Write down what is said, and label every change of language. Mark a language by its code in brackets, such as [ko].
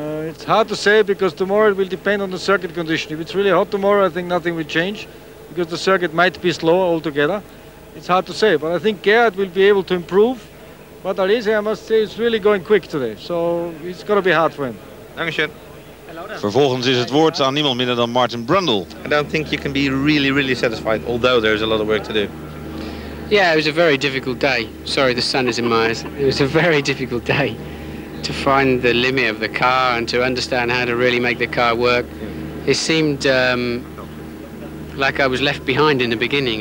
[en] It's hard to say, because tomorrow it will depend on the circuit condition. If it's really hot tomorrow, I think nothing will change, because the circuit might be slower altogether. It's hard to say, but I think Gerhard will be able to improve. But Alesi, I must say, is really going quick today, so it's going to be hard for him. [de] Dankeschön. [nl] Vervolgens is het woord aan niemand minder dan Martin Brundle. [en] I don't think you can be really, really satisfied, although there is a lot of work to do. Yeah, it was a very difficult day. Sorry, the sun is in my eyes. It was a very difficult day to find the limit of the car and to understand how to really make the car work. It seemed like I was left behind in the beginning.